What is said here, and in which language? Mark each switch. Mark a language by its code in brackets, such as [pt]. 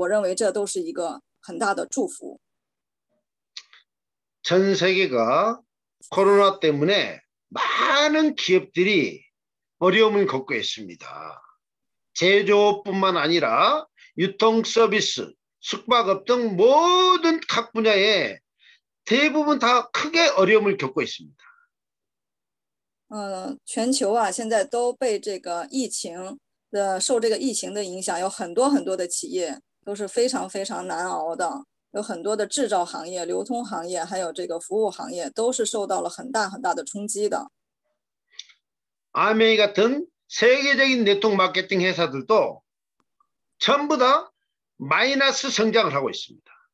[zh] 没有任何代价的，是白白的相送的，让您只要抓住这个工具就可以的。对我们来说，就是一个礼物，是一个馈赠。啊，您只要就算您今天参与了这个会议，可以听到这样的一个成功系统，啊，我认为这都是一个很大的祝福。 [ko] 전 세계가 코로나 때문에 많은 기업들이 어려움을 겪고 있습니다. 제조업뿐만 아니라 유통 서비스, 숙박업 등 모든 각 분야에 대부분 다 크게 어려움을 겪고 있습니다. [zh] 全球啊，现在都被这个疫情的受这个疫情的影响，有很多很多的企业都是非常非常难熬的。有很多的制造行业、流通行业，还有这个服务行业，都是受到了很大很大的冲击的。 [ko] 아메이 같은 세계적인 네트워크 마케팅 회사들도 전부 다 마이너스 성장을 하고 있습니다.